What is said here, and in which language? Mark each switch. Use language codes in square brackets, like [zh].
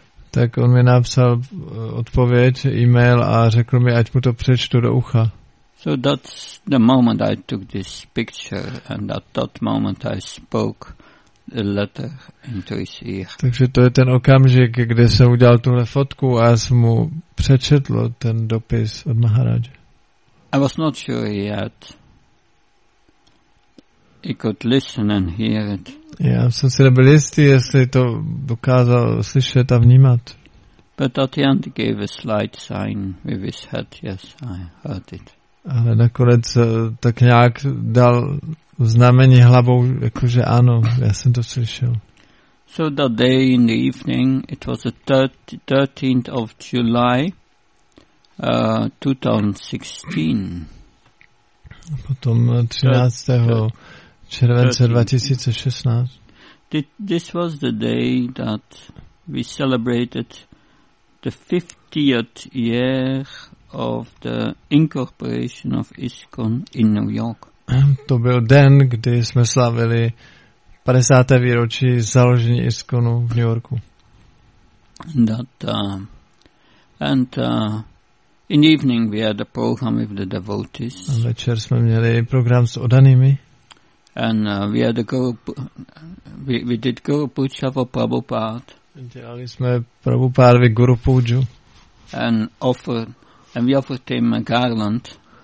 [cs] Tak on mi napsal odpověď, e-mail a řekl mi, ať mu to přečtu do ucha. [en] So that's the moment I took this picture and at that moment I spoke the letter into his ear. [cs] Takže to je ten okamžik, kde jsem udělal tuhle fotku a jsem mu přečetl ten dopis od Maharaje. [en] I was not sure yet. He could listen and hear it. [cs] Já jsem si nebyl jistý, jestli to dokázal slyšet a vnímat. [en] But at the end he gave a slight sign with his head, yes, I heard it. [cs] Ale nakonec tak nějak dal znamení hlavou, jakože ano, já jsem to slyšel. [en] So that day in the evening, it was the 13th of July, 2016. [cs] Potom 13. července 2016. [en] This was the day that we celebrated the 50th year of the incorporation of ISKCON in New York. [cs] To byl den, kdy jsme slavili 50. výročí založení ISKCONu v New Yorku. [en] In the evening we had a program with the devotees. [cs] A večer jsme měli program s oddanými. [en] And we had a group, we did Guru Puja for Prabhupada. [cs] Dělali jsme Prabhupádovi Guru Puju. [en] And we offered him a garland.